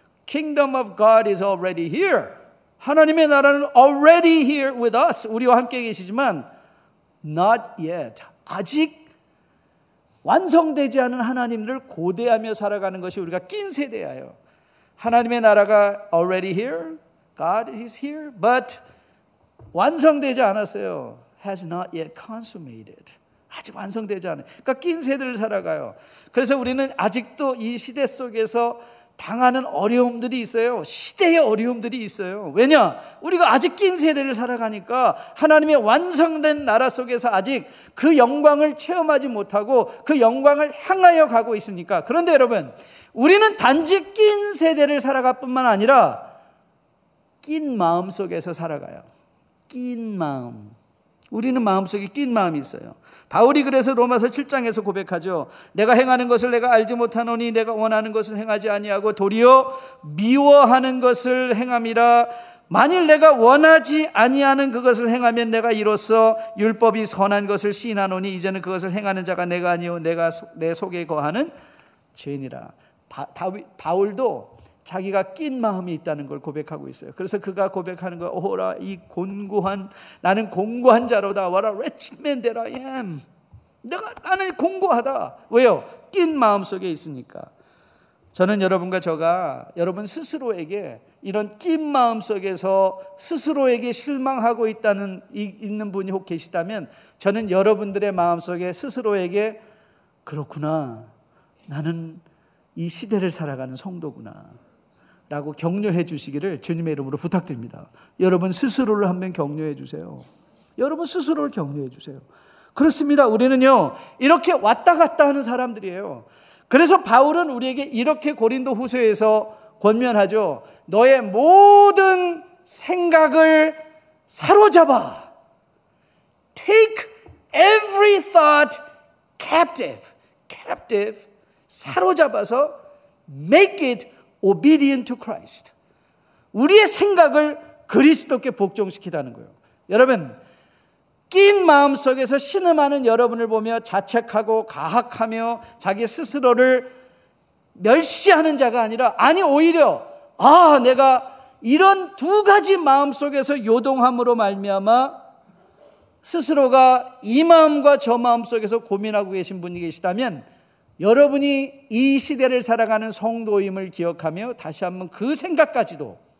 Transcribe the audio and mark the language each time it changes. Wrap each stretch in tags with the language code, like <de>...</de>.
<en>Kingdom of God is already here.</en> <ko>하나님의 나라는</ko> <en>already here with us.</en> <ko>우리와 함께 계시지만</ko> <en>not yet.</en> <ko>아직 완성되지 않은 하나님을 고대하며 살아가는 것이 우리가 낀 세대예요. 하나님의 나라가</ko> <en>already here. God is here, but</en> <ko>완성되지 않았어요.</ko> <en>Has not yet consummated.</en> <ko>아직 완성되지 않아요. 그러니까 낀 세대를 살아가요. 그래서 우리는 아직도 이 시대 속에서 당하는 어려움들이 있어요. 시대의 어려움들이 있어요. 왜냐? 우리가 아직 낀 세대를 살아가니까 하나님의 완성된 나라 속에서 아직 그 영광을 체험하지 못하고 그 영광을 향하여 가고 있으니까. 그런데 여러분, 우리는 단지 낀 세대를 살아갈 뿐만 아니라 낀 마음 속에서 살아가요. 낀 마음. 우리는 마음속에 낀 마음이 있어요. 바울이 그래서 로마서 7장에서 고백하죠. 내가 행하는 것을 내가 알지 못하노니 내가 원하는 것을 행하지 아니하고 도리어 미워하는 것을 행함이라. 만일 내가 원하지 아니하는 그것을 행하면 내가 이로써 율법이 선한 것을 시인하노니 이제는 그것을 행하는 자가 내가 아니오 내가 내 속에 거하는 죄니라. 바울도 자기가 낀 마음이 있다는 걸 고백하고 있어요. 그래서 그가 고백하는 거, 오호라, 이 곤고한, 나는 곤고한 자로다.</ko> <en>What a wretched man that I am.</en> <ko>나는 곤고하다. 왜요? 낀 마음 속에 있으니까. 저는 여러분과 저가 여러분 스스로에게 이런 낀 마음 속에서 스스로에게 실망하고 있는 분이 혹 계시다면 저는 여러분들의 마음 속에 스스로에게 그렇구나. 나는 이 시대를 살아가는 성도구나. 라고 격려해 주시기를 주님의 이름으로 부탁드립니다. 여러분 스스로를 한번 격려해 주세요. 여러분 스스로를 격려해 주세요. 그렇습니다. 우리는요 이렇게 왔다 갔다 하는 사람들이에요. 그래서 바울은 우리에게 이렇게 고린도 후서에서 권면하죠. 너의 모든 생각을 사로잡아.</ko> <en>Take every thought captive. Captive.</en> <ko>사로잡아서</ko> <en>make it obedient to Christ.</en> <ko>우리의 생각을 그리스도께 복종시키다는 거예요. 여러분, 낀 마음 속에서 신음하는 여러분을 보며 자책하고 가학하며 자기 스스로를 멸시하는 자가 아니라, 아니 오히려 아 내가 이런 두 가지 마음 속에서 요동함으로 말미암아 스스로가 이 마음과 저 마음 속에서 고민하고 계신 분이 계시다면 여러분이 이 시대를 살아가는 성도임을 기억하며 다시 한번 그 생각까지도,</ko>